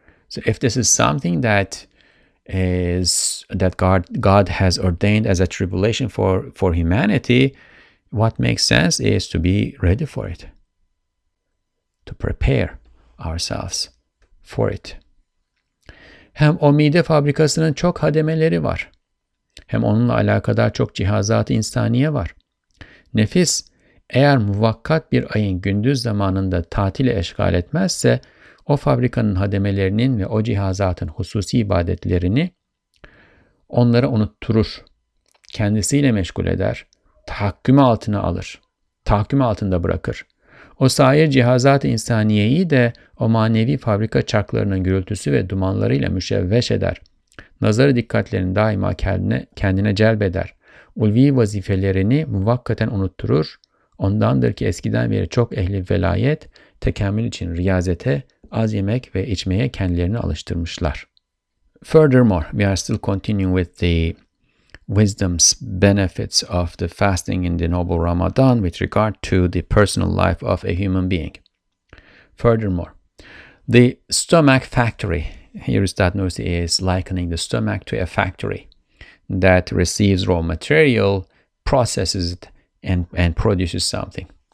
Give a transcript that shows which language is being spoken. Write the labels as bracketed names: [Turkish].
[English] So if this is something that is that God has ordained as a tribulation for humanity, what makes sense is to be ready for it, to prepare ourselves for it. [Turkish] Hem o mide fabrikasının çok hademeleri var. Hem onunla alakadar çok cihazat-ı insaniye var. Nefis eğer muvakkat bir ayın gündüz zamanında tatile eşgal etmezse, o fabrikanın hademelerinin ve o cihazatın hususi ibadetlerini onlara unutturur. Kendisiyle meşgul eder, tahakküm altına alır, tahakküm altında bırakır. O sair cihazat-ı insaniyeyi de o manevi fabrika çarklarının gürültüsü ve dumanlarıyla müşevveş eder. Nazarı dikkatlerini daima kendine celbeder. Ulvi vazifelerini muvakkaten unutturur. Ondandır ki eskiden beri çok ehli velayet, tekamül için riyazete, az yemek ve içmeye kendilerini alıştırmışlar. [English] Furthermore, we are still continuing with the wisdom's benefits of the fasting in the noble Ramadan with regard to the personal life of a human being. Furthermore, the stomach factory, here Ustad Nursi is likening the stomach to a factory that receives raw material, processes it, and produces something.